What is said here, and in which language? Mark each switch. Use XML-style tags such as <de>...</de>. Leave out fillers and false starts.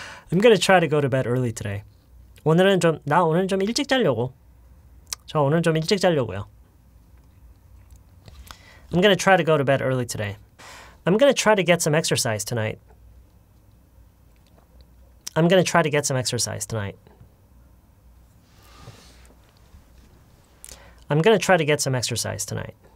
<en>I'm going to try to go to bed early today.</en> <ko>오늘은 좀, 나 오늘은 좀 일찍 자려고. 저 오늘은 좀 일찍 자려고요.</ko> <en>I'm going to try to go to bed early today. I'm going to try to get some exercise tonight. I'm going to try to get some exercise tonight. I'm going to try to get some exercise tonight.</en>